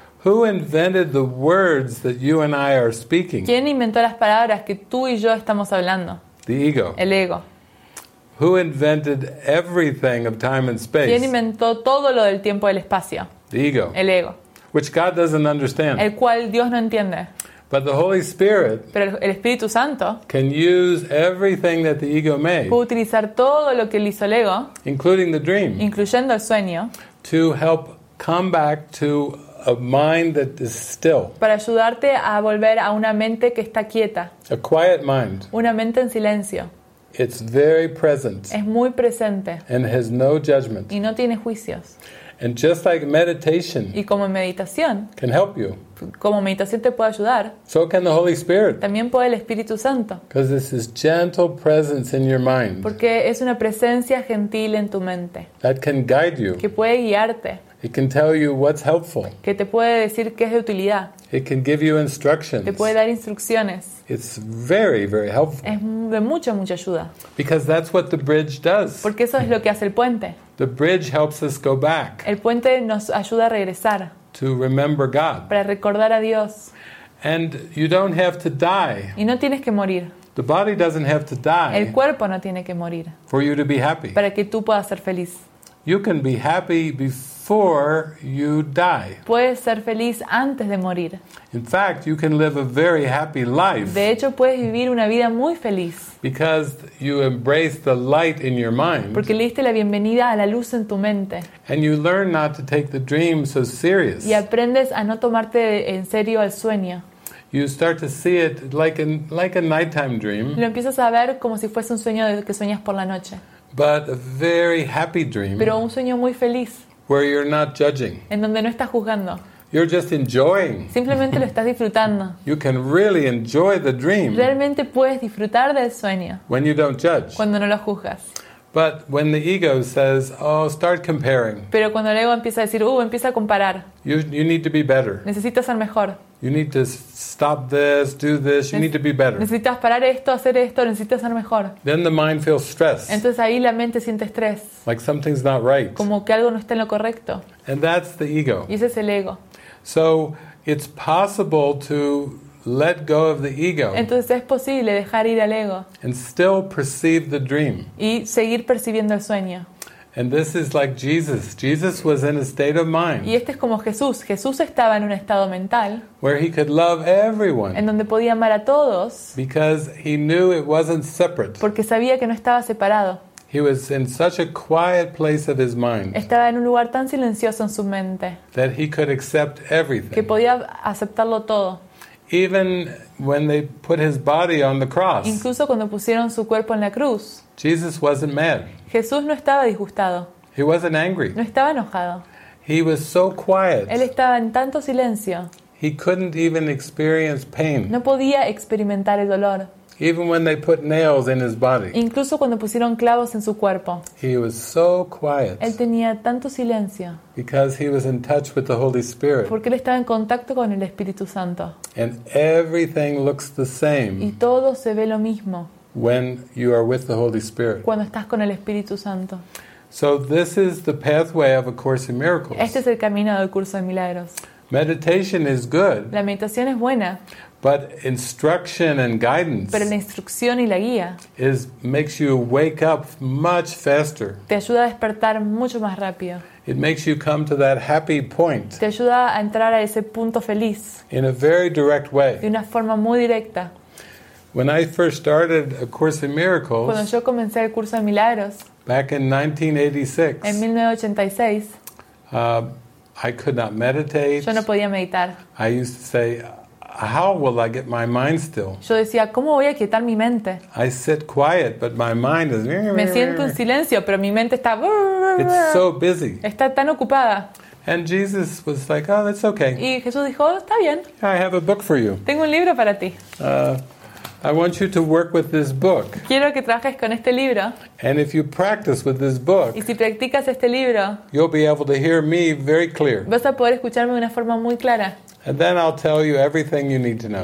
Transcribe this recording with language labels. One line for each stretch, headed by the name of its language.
English: Who invented the words that you and I are speaking?
Spanish: ¿Quién inventó las palabras que tú y yo estamos hablando?
English: The ego.
Spanish: El ego.
English: Who invented everything of time and space?
Spanish: ¿Quién inventó todo lo del tiempo y el espacio?
English: The ego.
Spanish: El ego.
English: Which God doesn't understand.
Spanish: El cual Dios no entiende.
English: But the Holy Spirit,
Spanish: pero el Espíritu Santo,
English: can use everything that the ego made,
Spanish: puede utilizar todo lo que él hizo el ego,
English: including the dream,
Spanish: incluyendo el sueño,
English: to help come back to a mind that is still,
Spanish: para ayudarte a volver a una mente que está quieta,
English: a quiet mind,
Spanish: una mente en silencio.
English: It's very present,
Spanish: es muy presente,
English: and has no judgment,
Spanish: y no tiene juicios.
English: And just like meditation,
Spanish: y como meditación,
English: can help you,
Spanish: como meditación te puede ayudar,
English: so can the Holy Spirit,
Spanish: también puede el Espíritu Santo,
English: because this is gentle presence in your mind,
Spanish: porque es una presencia gentil en tu mente,
English: that can guide you,
Spanish: que puede guiarte,
English: it can tell you what's helpful,
Spanish: que te puede decir qué es de utilidad,
English: it can give you instructions,
Spanish: te puede dar instrucciones.
English: It's very, very helpful.
Spanish: Es de mucha, mucha ayuda.
English: Because that's what the bridge does.
Spanish: Porque eso es lo que hace el puente.
English: The bridge helps us go back.
Spanish: El puente nos ayuda a regresar.
English: To remember God.
Spanish: Para recordar a Dios.
English: And you don't have to die.
Spanish: Y no tienes que morir.
English: The body doesn't have to die.
Spanish: El cuerpo no tiene que morir.
English: For you to be happy.
Spanish: Para que tú puedas ser feliz.
English: You can be happy before before you die.
Spanish: Puedes ser feliz antes de morir.
English: In fact, you can live a very happy life.
Spanish: De hecho, puedes vivir una vida muy feliz.
English: Because you embrace the light in your mind.
Spanish: Porque le diste la bienvenida a la luz en tu mente.
English: And you learn not to take the dream so serious.
Spanish: Y aprendes a no tomarte en serio el sueño.
English: You start to see it like a nighttime dream.
Spanish: Lo empiezas a ver como si fuese un sueño de que sueñas por la noche.
English: But a very happy dream.
Spanish: Pero un sueño muy feliz.
English: Where you're not judging.
Spanish: En donde no estás juzgando.
English: You're just enjoying.
Spanish: Simplemente lo estás disfrutando.
English: You can really enjoy the dream.
Spanish: Realmente puedes disfrutar del sueño.
English: When you don't judge.
Spanish: Cuando no lo juzgas.
English: But when the ego says, "Oh, start comparing."
Spanish: Pero cuando el ego empieza a decir, empieza a comparar.
English: You need to be better.
Spanish: Necesitas ser mejor.
English: You need to stop this, do this. You need to be better.
Spanish: Necesitas parar esto, hacer esto. Necesitas ser mejor.
English: Then the mind feels stressed.
Spanish: Entonces ahí la mente siente estrés.
English: Like something's not right.
Spanish: Como que algo no está en lo correcto.
English: And that's the ego.
Spanish: Y ese es el ego.
English: So it's possible to let go of the ego.
Spanish: Entonces es posible dejar ir al ego.
English: And still perceive the dream.
Spanish: Y seguir percibiendo el sueño.
English: And this is like Jesus. Jesus was in a state of mind.
Spanish: Y este es como Jesús. Jesús estaba en un estado mental.
English: Where he could love everyone.
Spanish: En donde podía amar a todos.
English: Because he knew it wasn't separate.
Spanish: Porque sabía que no estaba separado.
English: He was in such a quiet place of his mind.
Spanish: Estaba en un lugar tan silencioso en su mente.
English: That he could accept everything.
Spanish: Que podía aceptarlo todo.
English: Even when they put his body on the cross.
Spanish: Incluso cuando pusieron su cuerpo en la cruz.
English: Jesus wasn't mad.
Spanish: Jesús no estaba disgustado.
English: He wasn't angry.
Spanish: No estaba enojado.
English: He was so quiet.
Spanish: Él estaba en tanto silencio.
English: He couldn't even experience pain.
Spanish: No podía experimentar el dolor.
English: Even when they put nails in his body.
Spanish: Incluso cuando pusieron clavos en su cuerpo.
English: He was so quiet.
Spanish: Él tenía tanto silencio.
English: Because he was in touch with the Holy Spirit.
Spanish: Porque él estaba en contacto con el Espíritu Santo.
English: And everything looks the same.
Spanish: Y todo se ve lo mismo.
English: When you are with the Holy Spirit.
Spanish: Cuando estás con el Espíritu Santo.
English: So this is the pathway of A Course in Miracles.
Spanish: Este es el camino del curso de milagros.
English: Meditation is good.
Spanish: La meditación es buena.
English: But instruction and guidance.
Spanish: Pero la instrucción y la guía.
English: Is makes you wake up much faster.
Spanish: Te ayuda a despertar mucho más rápido.
English: It makes you come to that happy point.
Spanish: Te ayuda a entrar a ese punto feliz.
English: In a very direct way.
Spanish: De una forma muy directa.
English: When I first started A Course in Miracles.
Spanish: Cuando yo comencé el curso de milagros.
English: Back in 1986.
Spanish: En 1986.
English: I could not meditate.
Spanish: Yo no podía meditar.
English: I used to say, how will I get my mind still?
Spanish: Yo decía, ¿cómo voy a quietar mi mente?
English: I sit quiet, but my mind is.
Spanish: Me siento en silencio, pero mi mente está.
English: It's so busy.
Spanish: Está tan ocupada.
English: And Jesus was like, oh, that's okay.
Spanish: Y Jesús dijo, está bien.
English: I have a book for you.
Spanish: Tengo un libro para ti.
English: I want you to work with this book.
Spanish: Quiero que trabajes con este libro.
English: And if you practice with this book.
Spanish: Y si practicas este libro.
English: You'll be able to hear me very clear.
Spanish: Vas a poder escucharme de una forma muy clara.
English: And then I'll tell you everything you need to know.